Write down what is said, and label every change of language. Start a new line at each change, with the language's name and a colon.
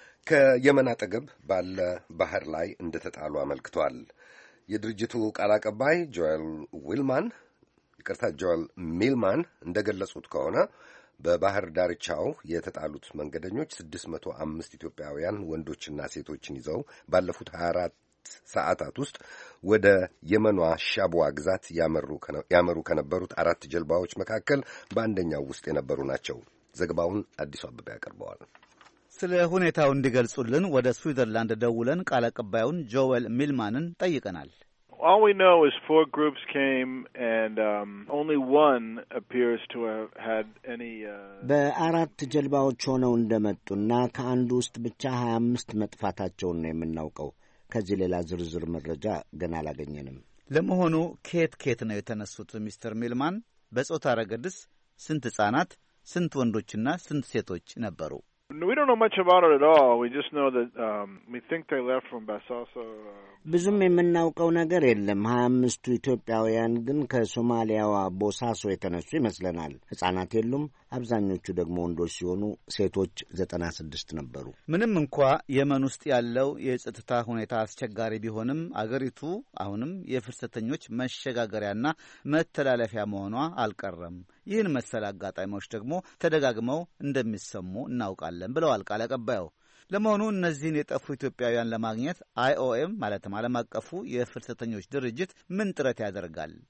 Amharic: ከየመን አጠገብ ባለ ባህር ላይ እንደተጣሉ አመልክቷል። የድርጅቱ ቃል አቀባይ ጆኤል ሚልማን እንደገለጹት ከሆነ በባህር ዳርቻው የተጣሉት መንገደኞች 605 ኢትዮጵያውያን ወንዶችና ሴቶችን ይዘው ባለፉት 24 ሰዓታት ውስጥ ወደ የመኗ ሻቧ ግዛት ያመሩ ከነበሩት አራት ጀልባዎች መካከል በአንደኛው ውስጥ የነበሩ ናቸው። ዘገባውን አዲሱ አበበ ያቀርበዋል። ስለ ሁኔታው እንዲገልጹልን ወደ ስዊዘርላንድ ደውለን ቃል አቀባዩን ጆኤል ሚልማንን ጠይቀናል።
English: All we know is four groups came and only one appears to have had any
Amharic: በአራት ጀልባዎች ሆነው እንደመጡና ከአንዱ ውስጥ ብቻ 25 መጥፋታቸውን ነው የምናውቀው። ከዚህ ሌላ ዝርዝር መረጃ ገና አላገኘንም። ለመሆኑ ኬት ነው የተነሱት? ሚስተር ሚልማን በጾታ ረገድስ ስንት ህጻናት፣ ስንት ወንዶችና ስንት ሴቶች ነበሩ?
English: We don't know much about it at all. We just know that we think they left from Basasa.
Amharic: ብዙም የምናውቀው ነገር የለም። 25ቱ ኢትዮጵያውያን ግን ከሶማሊያዋ ቦሳሶ የተነሱ ይመስለናል። ህጻናት የሉም። አብዛኞቹ ደግሞ ወንዶች ሲሆኑ ሴቶች 96 ነበሩ። ምንም እንኳ የመን ውስጥ ያለው የጸጥታ ሁኔታ አስቸጋሪ ቢሆንም አገሪቱ አሁንም የፍልሰተኞች መሸጋገሪያና መተላለፊያ መሆኗ አልቀረም። ይህን መሰል አጋጣሚዎች ደግሞ ተደጋግመው እንደሚሰሙ እናውቃለን ብለዋል ቃል አቀባዩ። ለመሆኑ እነዚህን የጠፉ ኢትዮጵያውያን ለማግኘት አይኦኤም ማለትም ዓለም አቀፉ የፍልሰተኞች ድርጅት ምን ጥረት ያደርጋል?